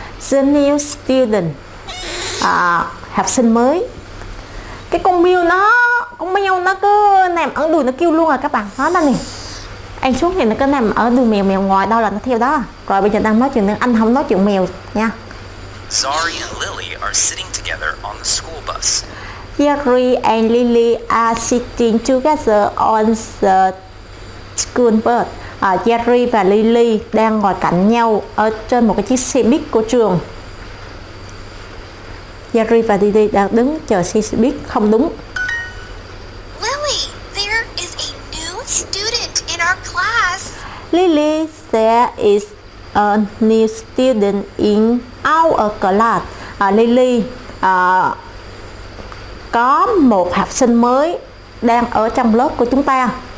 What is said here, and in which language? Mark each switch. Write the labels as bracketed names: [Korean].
[English] The new student. [Vietnamese] À, học sinh mới. Cái con mèo nó cứ nằm ở đùi nó kêu luôn à các bạn. Nó đây nè. Anh xuống thì nó cứ nằm ở đùi mèo, mèo ngoài đâu là nó theo đó. Rồi bây giờ đang nói chuyện nên anh không nói chuyện mèo nha. [English] Zari and Lily are sitting together on the school bus. Jerry and Lily are sitting together on the school bus. [Vietnamese] Jerry và Lily đang ngồi cạnh nhau ở trên một cái chiếc xe buýt của trường. Jerry và Lily đang đứng chờ xe buýt. Không đúng. [English] Lily, there is a new student in our class. Lily, there is a new student in our class. [Vietnamese] Lily, có một học sinh mới đang ở trong lớp của chúng ta.